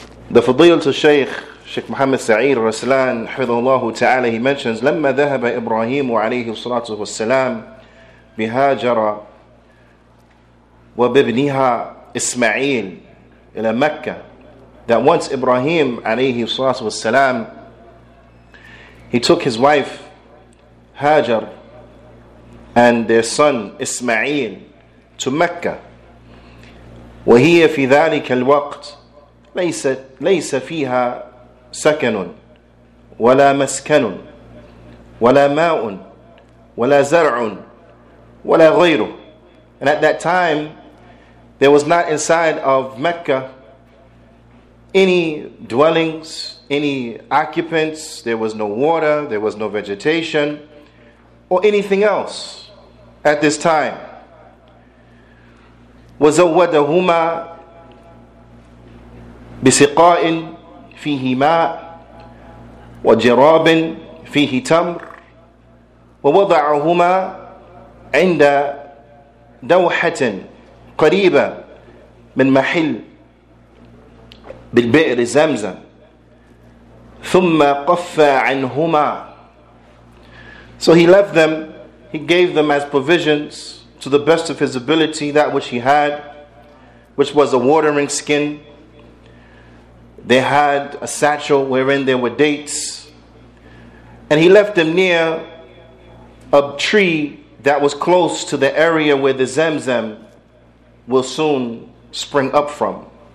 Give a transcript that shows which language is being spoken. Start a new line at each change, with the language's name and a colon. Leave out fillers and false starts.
English: The Fadil to Shaykh, Shaykh Muhammad Sa'eed Raslan, Hafidhullah Ta'ala, he mentions,
Arabic: لَمَّا ذَهَبَ إِبْرَاهِيمُ عَلَيْهِ الصَّلَاةُ وَالسَّلَامُ بِهَاجَرَ وَبِبْنِهَا إِسْمَعِيلُ إِلَى مَكَّةِ.
English: That once Ibrahim
Arabic: عَلَيْهِ الصَّلَاةُ وَالسَّلَامُ,
English: he took his wife Hajar and their son Ismail to Mecca.
Arabic: وَهِيَ فِي ذَلِكَ الْوَقْتِ ليس فيها سكن ولا مسكن ولا ماء ولا زرع ولا غيره.
English: And at that time, there was not inside of Mecca any dwellings, any occupants. There was no water, there was no vegetation, or anything else at this time.
Arabic: وزودهما بسقاء فيه ماء وجراب فيه تمر ووضعهما عند دوحة قريبة من محل بالبئر زمزم ثم قفى عنهما.
English: So he left them, he gave them as provisions to the best of his ability that which he had, which was a watering skin. They had a satchel wherein there were dates. And he left them near a tree that was close to the area where the Zamzam will soon spring up from.